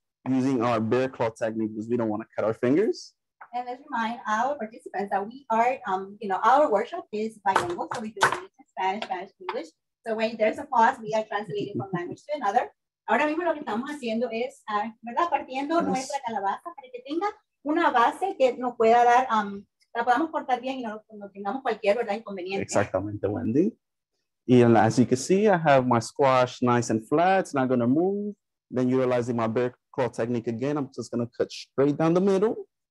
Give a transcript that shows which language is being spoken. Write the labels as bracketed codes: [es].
[en] using our bear claw technique because we don't want to cut our fingers. And let's remind our participants that we are, you know, our workshop is bilingual, so we do it in Spanish, Spanish, English. So when there's a pause, we are translating from language to another. [es] Ahora mismo lo que estamos haciendo es, ¿verdad? Partiendo nuestra calabaza para que tenga una base que nos pueda dar, la podamos cortar bien y no tengamos cualquier, ¿verdad? Inconveniente. Exactamente, Wendy. [en] And as you can see, I have my squash nice and flat. It's not going to move. Then utilizing my bear claw technique again, I'm just going to cut straight down the middle.